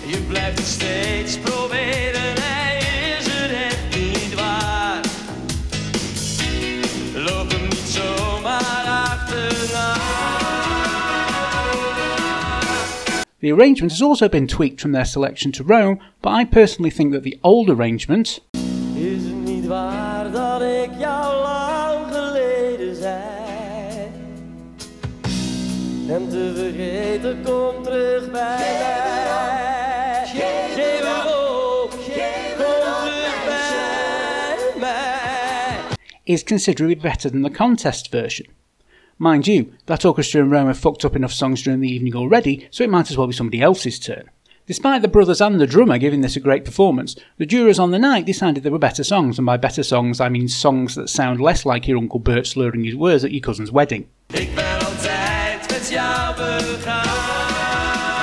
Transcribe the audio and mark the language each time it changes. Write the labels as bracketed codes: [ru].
[en] You've left the States, the arrangement has also been tweaked from their selection to Rome, but I personally think that the old arrangement is it [nl] niet waar dat ik jou lang geleden zei? En te vergeten kom terug bij mij. Geef me op, kom terug bij mij. [en] Is considerably better than the contest version. Mind you, that orchestra in Rome have fucked up enough songs during the evening already, so it might as well be somebody else's turn. Despite the brothers and the drummer giving this a great performance, the jurors on the night decided there were better songs, and by better songs I mean songs that sound less like your Uncle Bert slurring his words at your cousin's wedding. [nl] Ik ben altijd met jou begaan.